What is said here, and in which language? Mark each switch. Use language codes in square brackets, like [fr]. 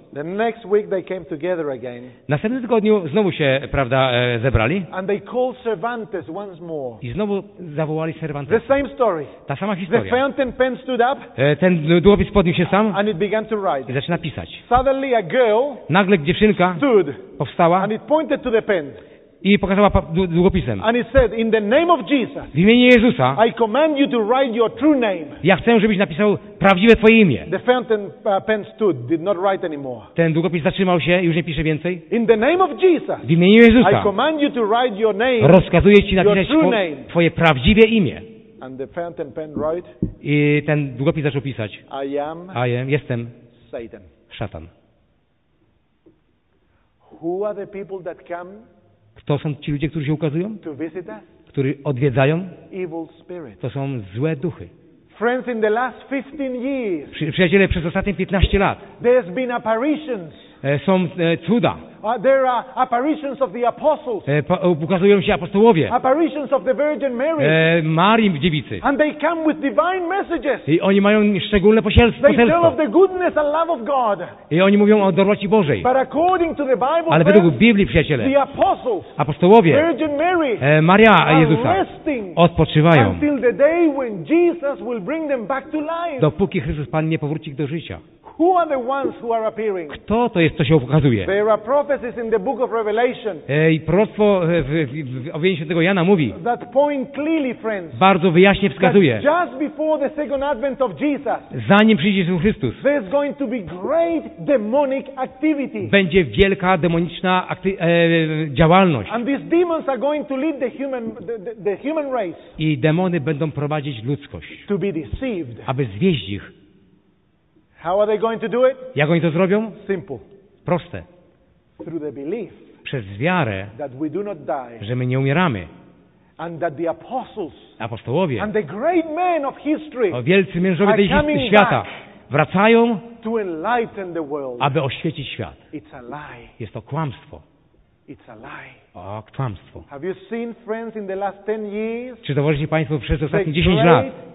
[en] The next week they came together again. [pl] Następnym tygodniu znowu się, prawda, zebrali. [en] And they called Cervantes once more. [pl] I znowu zawołali Cervantes. [en] The same story. [pl] Ta sama historia. [en] The fountain pen stood up. [pl] Ten długopis podniósł się sam. [en] And it began to write. [pl] I zaczyna pisać. [en] Suddenly a girl. [pl] Nagle dziewczynka. [en] Stood. [pl] Powstała. [en] And it pointed to the pen. [pl] I pokazała długopisem. [en] And it said, in the name of Jesus. [pl] W imieniu Jezusa. [en] I command you to write your true name. [pl] Ja chcę, żebyś napisał prawdziwe twoje imię. [en] The fountain pen stood, did not write anymore. [pl] Ten długopis zatrzymał się i już nie pisze więcej. [en] In the name of Jesus. [pl] W imieniu Jezusa. [en] I command you to write your name. [pl] Rozkazuję ci napisać twoje prawdziwe imię. [en] And the fountain pen wrote. [pl] I ten długopis zaczął pisać. [en] I am. [pl] Jestem. [en] Satan. [pl] Szatan. [en] Who are the people that come? [pl] To są ci ludzie, którzy się ukazują? Którzy odwiedzają? To są złe duchy. [en] Friends, in the last 15 years, [pl] przyjaciele, przez ostatnie 15 lat [en] there's been apparitions. [pl] Są cuda. [en] There are apparitions of the apostles. [pl] Ukazują się apostołowie. [en] Apparitions of the Virgin Mary. [pl] Marii dziewicy. [en] And they come with divine messages. [pl] I oni mają szczególne poselstwo. [en] They tell of the goodness and love of God. [pl] I oni mówią o dobroci Bożej. [en] But according to the Bible, [pl] ale według Biblii, przyjaciele, [en] the apostles, [pl] apostołowie, [en] Virgin Mary, [pl] Maria Jezusa, odpoczywają [en] until the day when Jesus will bring them back to life. [pl] Dopóki Chrystus Pan nie powróci ich do życia. [en] Who are the ones who are appearing? [pl] Kto to jest, co się ukazuje? [en] There are prophecies in the book of Revelation. [pl] I proroctwo w objawieniu świętego Jana mówi. [en] That point clearly, friends. [pl] Bardzo wyjaśnie wskazuje. [en] That just before the second advent of Jesus. [pl] Zanim przyjdzie Jezus Chrystus. [en] There's going to be great demonic activity. [pl] Będzie wielka demoniczna działalność. [en] And these demons are going to lead the human race. [pl] I demony będą prowadzić ludzkość. [en] To be deceived. [pl] Aby zwieść ich. [en] How are they going to do it? [pl] Jak oni to zrobią? [en] Simple. [pl] Proste. [en] Through the belief. [pl] Przez wiarę. [en] That we do not die. [pl] Że my nie umieramy. [en] And that the apostles. [pl] Apostołowie. [en] And the great men of history. [pl] O wielcy mężowie tej świata. Wracają. [en] To enlighten the world. [pl] Aby oświecić świat. [en] It's a lie. [pl] Jest to kłamstwo. [en] It's a lie. [pl] O, kłamstwo. [en] Have you seen, friends, in the last 10 years? [pl] Czy zauważyli państwo przez ostatnie 10 lat?